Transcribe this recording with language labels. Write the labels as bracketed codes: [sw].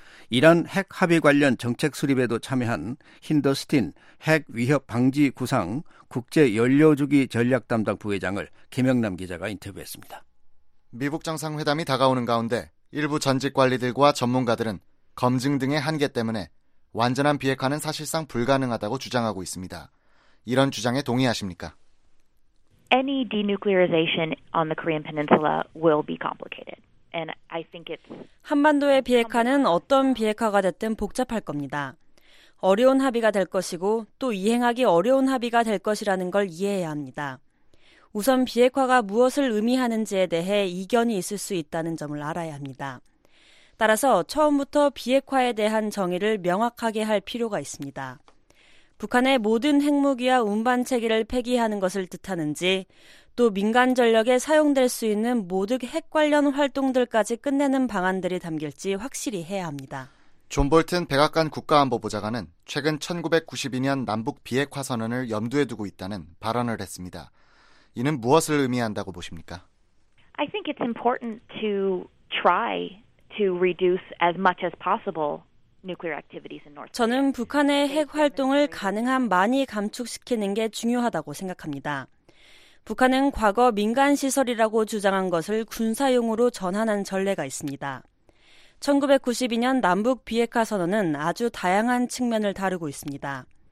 [ko] 이란 핵 합의 관련 정책 수립에도 참여한 힌더스틴 핵 위협 방지 구상 국제 연료주기 전략 담당 부회장을 김영남 기자가 인터뷰했습니다. 미북 정상회담이 다가오는 가운데 일부 전직 관리들과 전문가들은 검증 등의 한계 때문에 완전한 비핵화는 사실상 불가능하다고 주장하고 있습니다. 이런 주장에 동의하십니까? [en] Any denuclearization on the Korean Peninsula will be complicated. And I think it's [ko] 한반도의 비핵화는 어떤 비핵화가 됐든 복잡할 겁니다. 어려운 합의가 될 것이고 또 이행하기 어려운 합의가 될 것이라는 걸 이해해야 합니다. 우선 비핵화가 무엇을 의미하는지에 대해 이견이 있을 수 있다는 점을 알아야 합니다. 따라서 처음부터 비핵화에 대한 정의를 명확하게 할 필요가 있습니다. 북한의 모든 핵무기와 운반 체계를 폐기하는 것을 뜻하는지 또 민간 전력에 사용될 수 있는 모든 핵 관련 활동들까지 끝내는 방안들이 담길지 확실히 해야 합니다. 존 볼튼 백악관 국가안보보좌관은 최근 1992년 남북 비핵화 선언을 염두에 두고 있다는 발언을 했습니다. 이는 무엇을 의미한다고 보십니까? [en] I think it's important to try to reduce as much as possible. [ko] 저는 북한의 핵 활동을 가능한 많이 감축시키는 게 중요하다고 생각합니다. 북한은 과거 민간 시설이라고 주장한 것을 군사용으로 전환한 전례가 있습니다. 1992년 남북 비핵화 선언은 아주 다양한 측면을 다루고 있습니다.